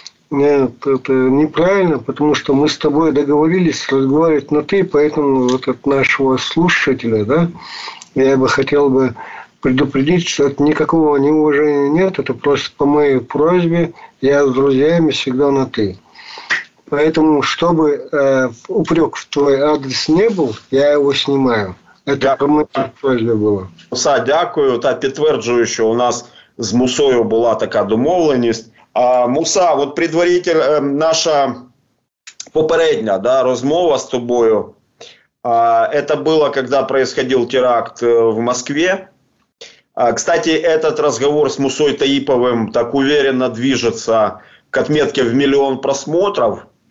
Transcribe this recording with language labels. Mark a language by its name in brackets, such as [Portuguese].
[Russian] Нет, это неправильно, потому что мы с тобой договорились разговаривать на «ты», поэтому вот от нашего слушателя, да, я бы хотел бы предупредить, что это никакого неуважения нет, это просто по моей просьбе, я с друзьями всегда на «ты». Поэтому, чтобы упрек в твой адрес не был, я его снимаю. Это по моей просьбе было. [Ukrainian] Муса, дякую, та підтверджую, що у нас з Мусою була така домовленість. [Russian] А Муса, от предваритель, [Ukrainian] наша попередня, [Russian] да, [Ukrainian] розмова з тобою, [Russian] это было, когда происходил теракт в Москве. Кстати, этот разговор с Мусой Таиповым так уверенно движется к отметке в 1 000 000 просмотров.